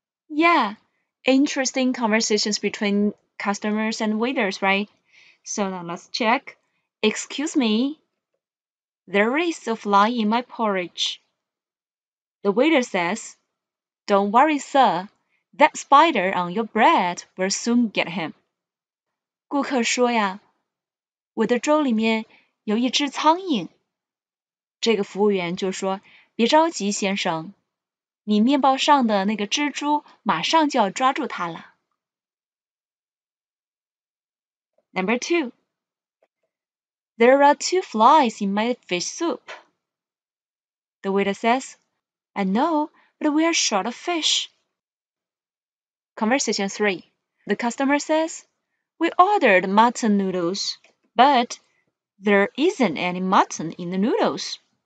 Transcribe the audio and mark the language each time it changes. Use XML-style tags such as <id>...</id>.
<en>Yeah, interesting conversations between customers and waiters, right? So now let's check. Excuse me. There is a fly in my porridge. The waiter says, Don't worry, sir. That spider on your bread will soon get him.</en> <zh>顾客说呀，我的粥里面有一只苍蝇。这个服务员就说，别着急先生，你面包上的那个蜘蛛马上就要抓住它了。</zh> <en>Number two, there are two flies in my fish soup. The waiter says, I know, but we are short of fish. Conversation three, the customer says,We ordered mutton noodles, but there isn't any mutton in the noodles.</en>